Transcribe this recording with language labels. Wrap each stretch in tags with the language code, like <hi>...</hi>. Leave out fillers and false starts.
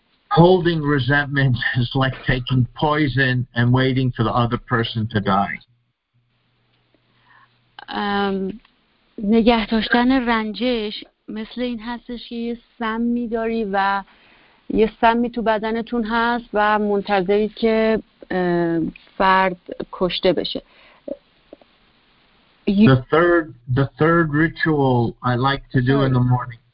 <en>Holding resentment is like taking poison and waiting for the other person to die.</en> <fa>نگه داشتن رنجش مثل این هستش که یه سمی داری و یه سمی تو بدنتون هست و منتظرید که فرد کشته بشه.</fa> <en>The third ritual I like to do in the morning.</en>